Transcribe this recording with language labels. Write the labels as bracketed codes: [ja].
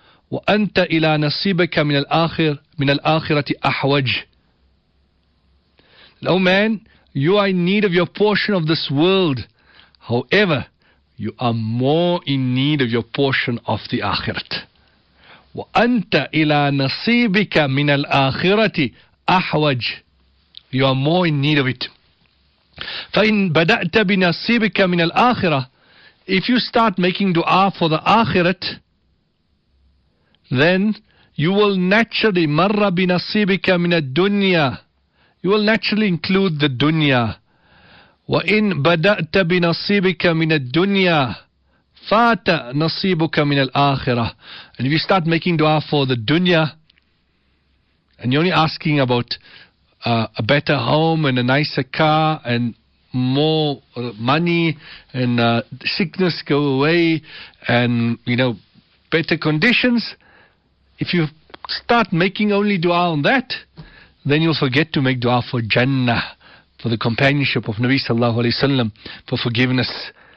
[ar] وأنت إلى نصيبك من الآخر من الآخرة أحوج. [en] Oh man, you are in need of your portion of this world. However, you are more in need of your portion of the akhirat. [ar] وأنت إلى نصيبك من الآخرة أحوج. [en] You are more in need of it. [ar] فإن بدأت بنصيبك من الآخرة, [en] if you start making dua for the akhirat, then you will naturally [ar] مر بنصيبك من الدنيا. [en] You will naturally include the dunya. [ar] وإن بدأت بنصيبك من الدنيا فات نصيبك من الآخرة. [en] And if you start making dua for the dunya, and you're only asking about a better home and a nicer car and more money and sickness go away and, you know, better conditions, if you start making only dua on that, then you'll forget to make dua for Jannah, for the companionship of Nabi Sallallahu Alaihi Wasallam, for forgiveness.